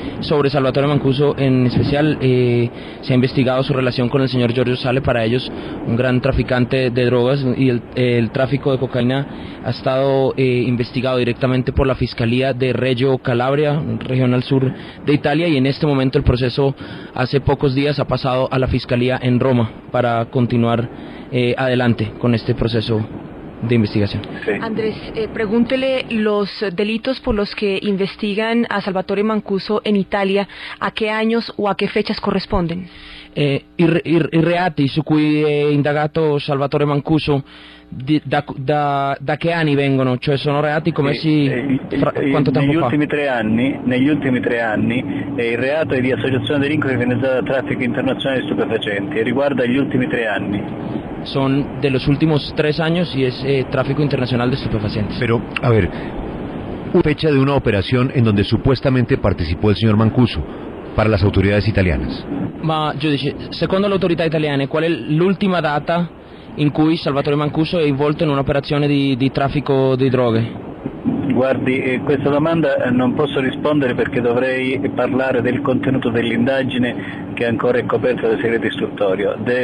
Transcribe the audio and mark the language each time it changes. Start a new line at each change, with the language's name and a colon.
Spanish: Sobre Salvatore Mancuso en especial, se ha investigado su relación con el señor Giorgio Sale, para ellos un gran traficante de drogas, y el tráfico de cocaína ha estado investigado directamente por la Fiscalía de Reggio Calabria, región al sur de Italia, y en este momento el proceso hace pocos días ha pasado a la Fiscalía en Roma para continuar adelante con este proceso de investigación. Sí. Andrés, pregúntele los delitos por los que investigan a Salvatore Mancuso en Italia, ¿a qué años o a qué fechas corresponden?
Italian: I reati su cui è indagato Salvatore Mancuso da che anni vengono? Cioè sono reati come quanto tempo fa? Negli ultimi tre anni il reato è di associazione a delinquere finalizzata a traffico internazionale di stupefacenti e riguarda gli ultimi tre anni.
Spanish: Son de los últimos tres años y es tráfico internacional de estupefacientes. Pero, a ver, fecha de una operación en donde supuestamente participó el señor Mancuso para las autoridades italianas.
Italian: Ma,
Spanish: yo dije,
Italian: secondo
Spanish: la autoridad italiana, ¿cuál es
Italian: l'ultima data in cui Salvatore Mancuso è involto in un'operazione di traffico di droghe? Guardi, questa domanda non posso rispondere perché dovrei parlare del contenuto dell'indagine che ancora è coperta dal segreto istruttorio.